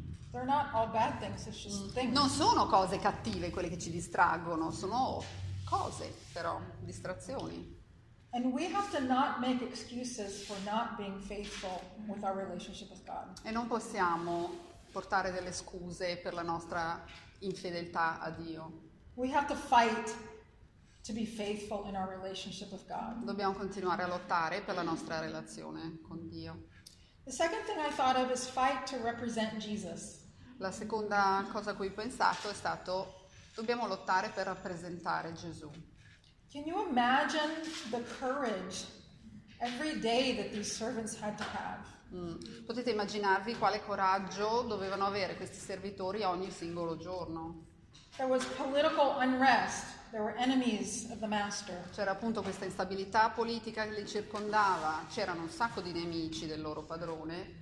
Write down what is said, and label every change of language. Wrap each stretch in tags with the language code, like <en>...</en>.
<en>They're not all bad things, it's just things.</en> <it>Non sono cose cattive quelle che ci distraggono, sono cose, però, distrazioni.</it> <en>And we have to not make excuses for not being faithful with our relationship with God.</en> <it>E non possiamo portare delle scuse per la nostra infedeltà a Dio.</it> <en>We have to fight to be faithful in our relationship with God.</en> <it>Dobbiamo continuare a lottare per la nostra relazione con Dio.</it> <en>The second thing I thought of is fight to represent Jesus.</en> <it>La seconda cosa a cui ho pensato è stato dobbiamo lottare per rappresentare Gesù.</it> <en>Can you imagine the courage every day that these servants had to have?</en> <it>Potete immaginarvi quale coraggio dovevano avere questi servitori ogni singolo giorno.</it> <en>There was political unrest. There were enemies of the master.</en> <it>C'era appunto questa instabilità politica che li circondava, c'erano un sacco di nemici del loro padrone.</it>